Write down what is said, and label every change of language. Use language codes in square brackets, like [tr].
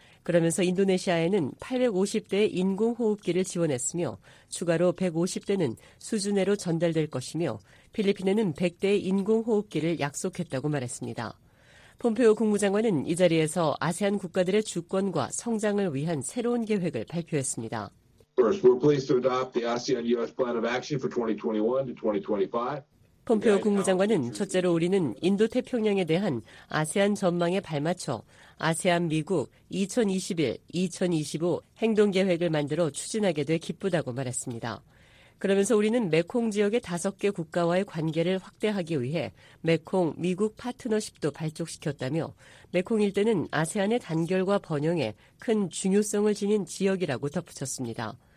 [ko] 그러면서 인도네시아에는 850대의 인공호흡기를 지원했으며 추가로 150대는 수준회로 전달될 것이며 필리핀에는 100대의 인공호흡기를 약속했다고 말했습니다. 폼페오 국무장관은 이 자리에서 아세안 국가들의 주권과 성장을 위한 새로운 계획을 발표했습니다. [en] First, we're pleased to adopt the ASEAN-US Plan of Action for 2021 to 2025. [ko] 폼페오 국무장관은 첫째로 우리는 인도태평양에 대한 아세안 전망에 발맞춰 아세안 미국 2021-2025 행동계획을 만들어 추진하게 돼 기쁘다고 말했습니다. 그러면서 우리는 메콩 지역의 5개 국가와의 관계를 확대하기 위해 메콩 미국 파트너십도 발족시켰다며 메콩 일대는 아세안의 단결과 번영에 큰 중요성을 지닌 지역이라고 덧붙였습니다.